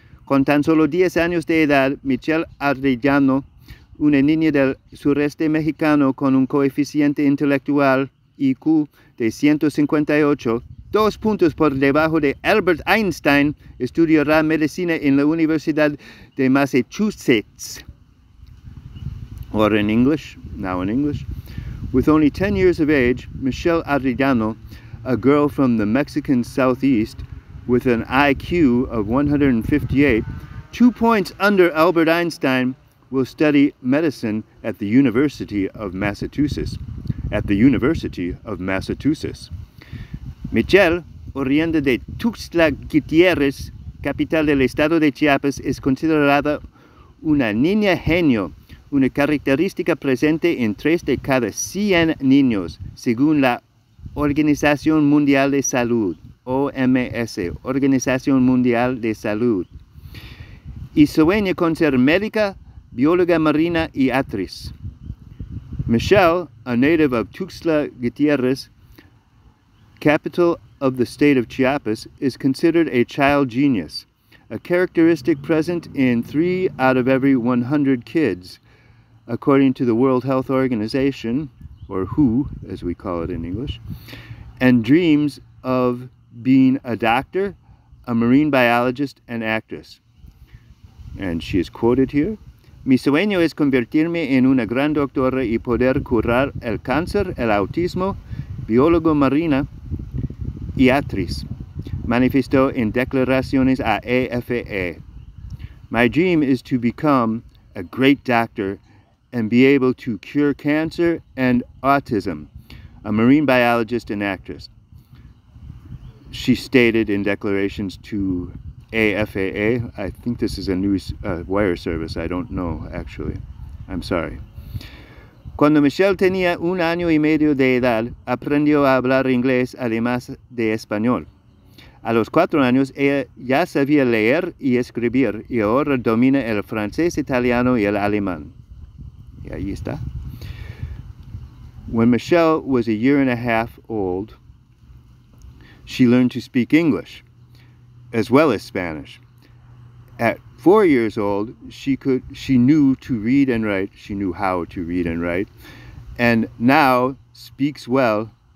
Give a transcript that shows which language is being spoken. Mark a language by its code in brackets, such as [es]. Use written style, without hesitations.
[es] Con tan solo 10 años de edad, Michelle Arellano, una niña del sureste mexicano con un coeficiente intelectual IQ de 158, dos puntos por debajo de Albert Einstein, estudiará medicina en la Universidad de Massachusetts. [en] Or in English, now in English. With only 10 years of age, Michelle Arellano, a girl from the Mexican Southeast, with an IQ of 158, 2 points under Albert Einstein, will study medicine at the University of Massachusetts. At the University of Massachusetts. [es] Michelle, oriunda de Tuxtla Gutiérrez, capital del estado de Chiapas, es considerada una niña genio, una característica presente en 3 de cada 100 niños, según la Organización Mundial de Salud, OMS, Organización Mundial de Salud, y sueña con ser médica, bióloga marina y actriz. [en] Michelle, a native of Tuxtla Gutiérrez, capital of the state of Chiapas, is considered a child genius, a characteristic present in 3 out of every 100 kids, according to the World Health Organization, or WHO, as we call it in English, and dreams of being a doctor, a marine biologist, and actress. And she is quoted here, [es] "Mi sueño es convertirme en una gran doctora y poder curar el cáncer, el autismo, biólogo marina, y actriz," manifestó en declaraciones a AFA. [en] "My dream is to become a great doctor and be able to cure cancer and autism, a marine biologist and actress," she stated in declarations to AFA. I think this is a news wire service. I don't know, actually. I'm sorry. [es] Cuando Michelle tenía un año y medio de edad, aprendió a hablar inglés además de español. A los 4 años, ella ya sabía leer y escribir y ahora domina el francés, italiano y el alemán. Y ahí está. [en] When Michelle was a year and a half old, she learned to speak English as well as Spanish. At 4 years old, she knew how to read and write, and now speaks well.